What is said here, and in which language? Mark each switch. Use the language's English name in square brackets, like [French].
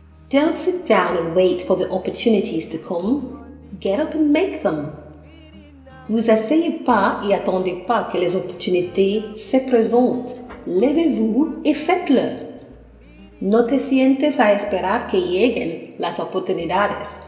[English] Don't sit down and wait for the opportunities to come. Get up and make them. [French] Vous asseyez pas et attendez pas que les opportunités se présentent. Levez-vous et faites-le. [Spanish] No te sientes a esperar que lleguen las oportunidades.